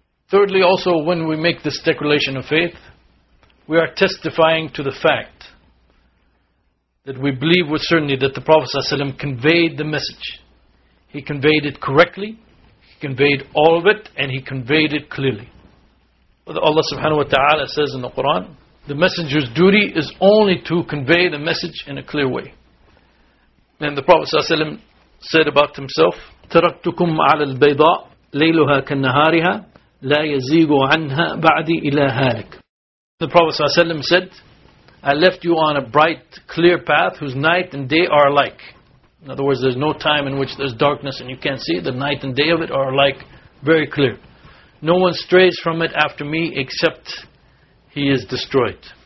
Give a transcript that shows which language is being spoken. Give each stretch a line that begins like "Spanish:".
English: Thirdly, also when we make this declaration of faith, we are testifying to the fact that we believe with certainty that the Prophet ﷺ conveyed the message. He conveyed it correctly, he conveyed all of it, and he conveyed it clearly. Allah subhanahu wa ta'ala says in the Quran, the messenger's duty is only to convey the message in a clear way. And the Prophet ﷺ said about himself,
Arabic: تَرَكْتُكُمْ عَلَى الْبَيْضَاءِ لَيْلُهَا كَالنَّهَارِهَا لَا يَزِيغُ عَنْهَا بَعْدِ إِلَى هَالِكَ.
English: The Prophet ﷺ said, I left you on a bright, clear path whose night and day are alike. In other words, there's no time in which there's darkness and you can't see it. The night and day of it are alike, very clear. No one strays from it after me except he is destroyed.